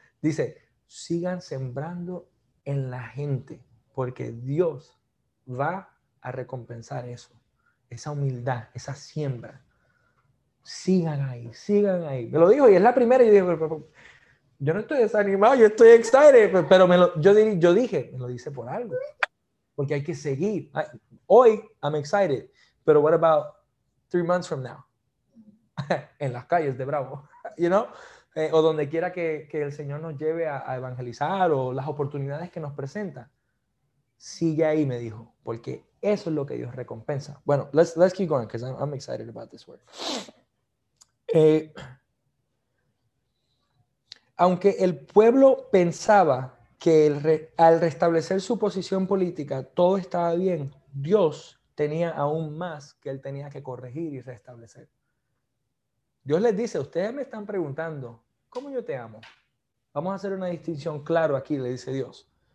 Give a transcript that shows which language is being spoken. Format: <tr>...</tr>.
<es>Dice, sigan sembrando en la gente, porque Dios va a recompensar eso, esa humildad, esa siembra. Sigan ahí, sigan ahí. Me lo dijo y es la primera. Y dije, yo no estoy desanimado, yo estoy excited. Pero yo dije, me lo dice por algo, porque hay que seguir.</es> <en>Hoy, I'm excited, pero what about 3 months from now?</en> <es>En las calles de Bravo,</es> <en>you know?</en> <es>O donde quiera que el Señor nos lleve a evangelizar o las oportunidades que nos presenta. Sigue ahí, me dijo, porque eso es lo que Dios recompensa.</es> <en>Bueno, let's keep going, because I'm excited about this word.</en> <es>Aunque el pueblo pensaba que al restablecer su posición política todo estaba bien, Dios tenía aún más que él tenía que corregir y restablecer. Dios les dice, ustedes me están preguntando, ¿cómo yo te amo? Vamos a hacer una distinción clara aquí, le dice Dios.</es>